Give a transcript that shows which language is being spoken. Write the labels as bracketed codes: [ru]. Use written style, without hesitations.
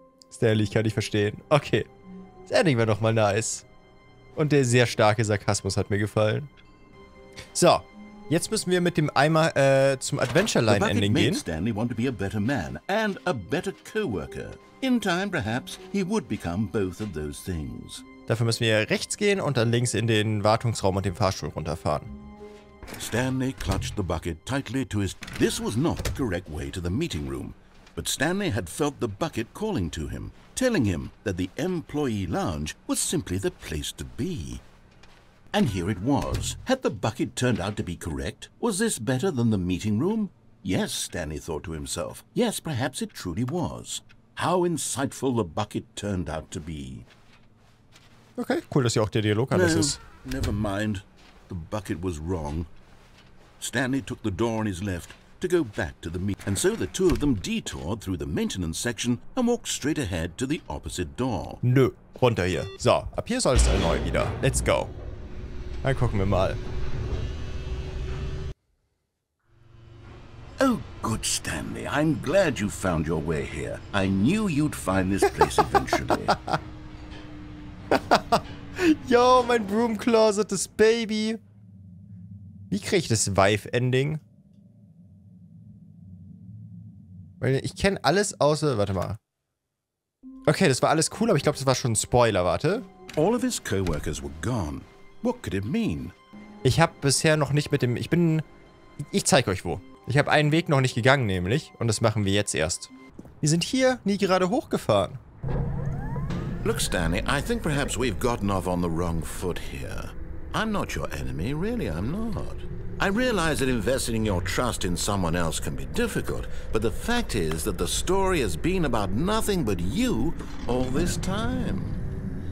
[de] Stanley, ich kann dich verstehen. Okay. Das Ending war nochmal nice. Und der sehr starke Sarkasmus hat mir gefallen. So. Jetzt müssen wir mit dem Eimer zum Adventure-Line-Ending gehen. [en] Stanley want to be a better man and a better co-worker. In time, perhaps, he would become both of those things. [de] Dafür müssen wir rechts gehen und dann links in den Wartungsraum und den Fahrstuhl runterfahren. [en] Stanley clutched the bucket tightly to his... This was not the correct way to the meeting room. But Stanley had felt the bucket calling to him. telling him that the employee lounge was simply the place to be. And here it was. Had the bucket turned out to be correct? Was this better than the meeting room? Yes, Stanley thought to himself. Yes, perhaps it truly was. How insightful the bucket turned out to be. [de] Okay, cool, dass hier auch der Dialog alles ist. [en] Never mind. The bucket was wrong. Stanley took the door on his left to go back to the meeting. And so the two of them detoured through the maintenance section and walked straight ahead to the opposite door. [de] Nö, runter hier. So, ab hier soll es dann neu wieder. [en] Let's go. [de] Dann gucken wir mal. [en] Oh, good, Stanley. I'm glad you found your way here. I knew you'd find this place eventually. [de] Yo, mein broom closet, das Baby. Wie kriege ich das Vive-Ending? Weil ich kenne alles außer... Warte mal. Okay, das war alles cool, aber ich glaube, das war schon ein Spoiler. Warte. [en] All of his co-workers were gone. What could it mean? [de] Ich habe bisher noch nicht mit dem... Ich zeige euch wo. Ich habe einen Weg noch nicht gegangen, nämlich. Und das machen wir jetzt erst. Wir sind hier nie gerade hochgefahren. [en] Look, Stanley, I think perhaps we've gotten off on the wrong foot here. I'm not your enemy, really, I'm not. I realize that investing in your trust in someone else can be difficult, but the fact is that the story has been about nothing but you all this time.